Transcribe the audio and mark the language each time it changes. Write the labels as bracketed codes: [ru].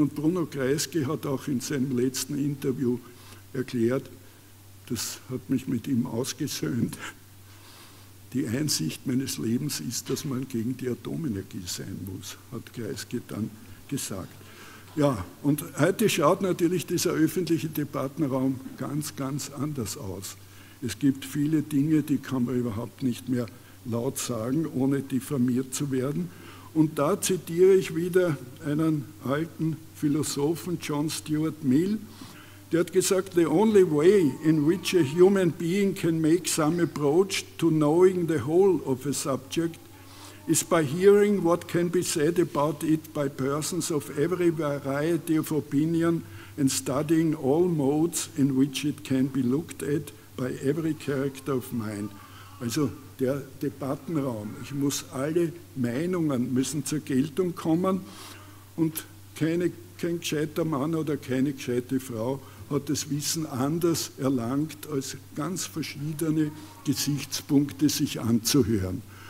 [de] Und Bruno Kreisky hat auch in seinem letzten Interview erklärt, das hat mich mit ihm ausgesöhnt, die Einsicht meines Lebens ist, dass man gegen die Atomenergie sein muss, hat Kreisky dann gesagt. Ja, und heute schaut natürlich dieser öffentliche Debattenraum ganz, ganz anders aus. Es gibt viele Dinge, die kann man überhaupt nicht mehr laut sagen, ohne diffamiert zu werden. Und da zitiere ich wieder einen alten Philosophen, John Stuart Mill, der hat gesagt, [en] the only way in which a human being can make some approach to knowing the whole of a subject is by hearing what can be said about it by persons of every variety of opinion and studying all modes in which it can be looked at by every character of mind. [de] Also der Debattenraum, ich muss alle Meinungen müssen zur Geltung kommen und kein gescheiter Mann oder keine gescheite Frau hat das Wissen anders erlangt, als ganz verschiedene Gesichtspunkte sich anzuhören.